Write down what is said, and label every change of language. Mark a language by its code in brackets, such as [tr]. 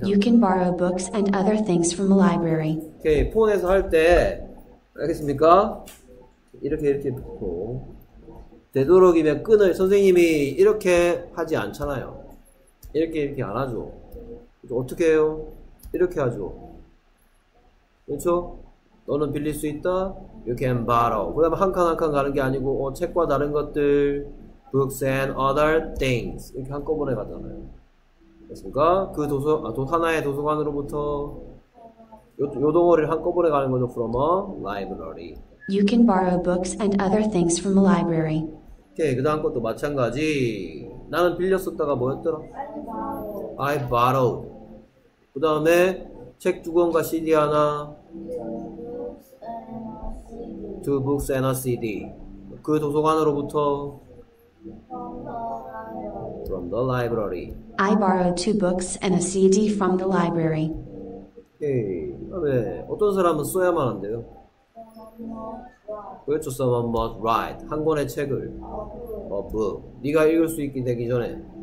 [en] you can borrow books and other things from a library. [ko] 오케이, 폰에서 할 때, 알겠습니까? 이렇게 붙고. 되도록이면 끈을, 선생님이 이렇게 하지 않잖아요. 이렇게 안 하죠. 어떻게 해요? 이렇게 하죠. 그렇죠? 너는 빌릴 수 있다? [en] You can borrow. [ko] 그 다음에 한 칸 가는 게 아니고 책과 다른 것들 [en] books and other things [ko] 이렇게 한꺼번에 가잖아요. 됐습니까? 그 도서, 하나의 도서관으로부터 요 덩어리를 한꺼번에 가는 거죠. [en] From a library. You can borrow books and other things from a library. [ko] 오케이, 그 다음 것도 마찬가지. 나는 빌렸었다가 뭐였더라? [en] I borrowed. [ko] 그 다음에 책 두 권과 CD 하나 [en] two books and a CD. [ko] 그 도서관으로부터 [en] from the library. I borrowed two books and a CD from the library. [ko] 네, 어떤 사람은 써야만 한대요. 그렇죠, [en] someone must write. [ko] 한 권의 책을. [en] A book. [ko] 네가 읽을 수 있게 되기 전에.